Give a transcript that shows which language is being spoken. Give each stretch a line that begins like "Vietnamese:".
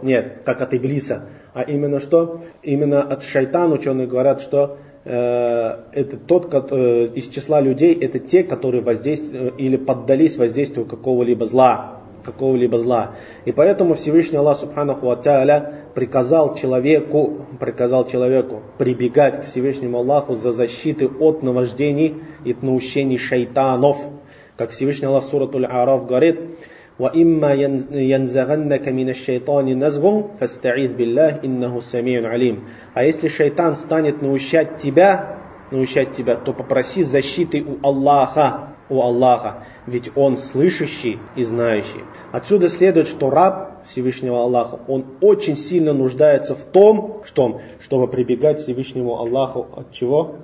Russian: Нет, как от иблиса. А именно что? Именно от шайтана ученые говорят, что это тот, из числа людей, это те, которые воздействовали или поддались воздействию какого-либо зла. Какого-либо зла. И поэтому Всевышний Аллах Субханаху ва Тааля приказал человеку прибегать к Всевышнему Аллаху за защиты от наваждений и от наущений шайтанов. Как Всевышний Аллах сурат Аль-Араф говорит:
Arabic: وَإِمَّا يَنْزَغَنَّكَ مِنَ الشَّيْطَانِ نَزْغٌ فَاسْتَعِذْ بِاللَّهِ إِنَّهُ سَمِيعٌ عَلِيمٌ.
Russian: А если шайтан станет наущать тебя, то попроси защиты у Аллаха, ведь он слышащий и знающий. Отсюда следует, что раб Всевышнего Аллаха, он очень сильно нуждается в том, чтобы прибегать к Всевышнему Аллаху от чего?